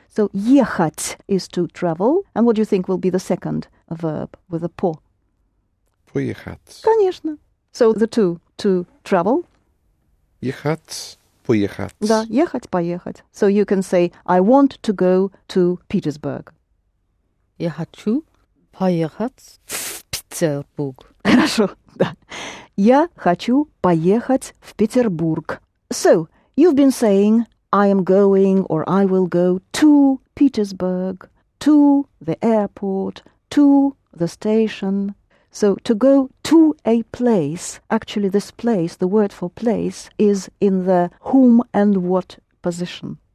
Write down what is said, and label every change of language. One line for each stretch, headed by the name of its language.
English: So ехать is to travel. And what do you think will be the second verb with a по?
Russian: Поехать. Конечно.
English: So the two, to travel.
Russian: Ехать, поехать. Да, ехать, поехать.
English: So you can say, I want to go to Petersburg.
Russian: Я хочу поехать в Петербург. Хорошо, да. Я хочу поехать в Петербург.
English: So, you've been saying, I am going or I will go to Petersburg, to the airport, to the station. So, to go to a place, actually this place, the word for place, is in the whom and what position.